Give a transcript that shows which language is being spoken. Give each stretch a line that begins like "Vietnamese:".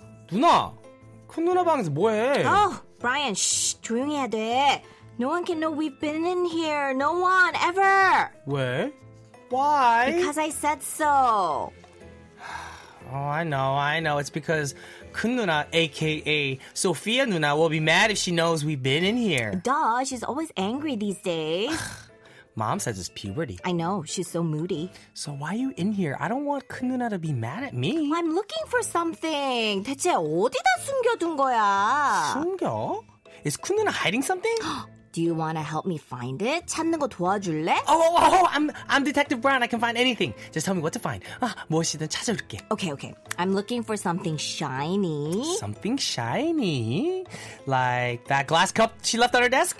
Korean: 누나, 큰 누나 방에서 뭐해?
English: Oh, Brian, shh,
Korean: 조용히 해야 돼.
English: No one can know we've been in here. No one, ever.
Korean: 왜?
English: Why? Because I said so. Oh, I know, I know. It's because Kun Nuna, a.k.a. Sophia Nuna, will be mad if she knows we've been in here. Duh, she's always angry these days. Mom says it's puberty. I know, she's so moody. So why are you in here? I don't want Kun Nuna to be mad at me. Well, I'm looking for something.
Korean: 대체 어디다 숨겨둔 거야? 숨겨?
English: Is Kun Nuna hiding something? Do you want to help me find it?
Korean: 찾는 거 도와줄래?
English: I'm Detective Brown. I can find anything. Just tell me what to find.
Korean: 무엇이든 찾아줄게.
English: Okay. I'm looking for something shiny. Something shiny? Like that glass cup she left on her desk?